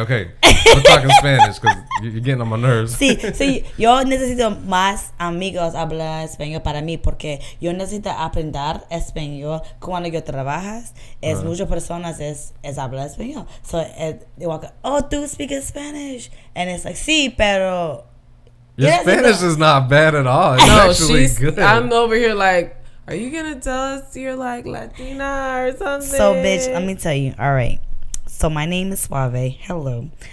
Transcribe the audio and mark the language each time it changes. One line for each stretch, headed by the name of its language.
English: We're talking Spanish because you're getting on my nerves.
Spanish: Sí, sí. Yo necesito más amigos hablar español para mí porque yo necesito aprender español cuando yo trabajas. Es muchas personas es hablar español.
English: So, they walk up, oh, tú speaks Spanish. And it's like,
Spanish: sí, pero...
English: Your Spanish is not bad at all. It's actually good. I'm over here like, are you going to tell us you're like Latina or something? So, bitch, let me tell you. All right. So, my name is Suave. Hello.